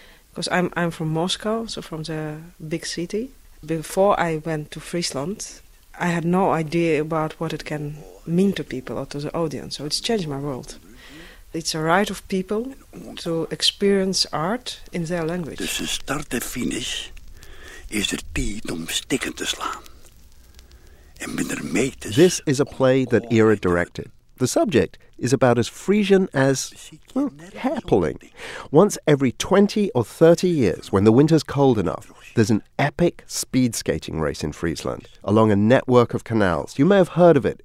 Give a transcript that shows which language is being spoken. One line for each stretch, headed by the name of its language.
English: Because I'm from Moscow, so from the big city. Before I went to Friesland, I had no idea about what it can mean to people or to the audience. So it's changed my world. It's a right of people to experience art in their language.
Dutch: Tussen start en finish is er tijd om stikken te slaan.
English: This is a play that Ira directed. The subject is about as Frisian as, well, hair pulling. Once every 20 or 30 years, when the winter's cold enough, there's an epic speed skating race in Friesland along a network of canals. You may have heard of it.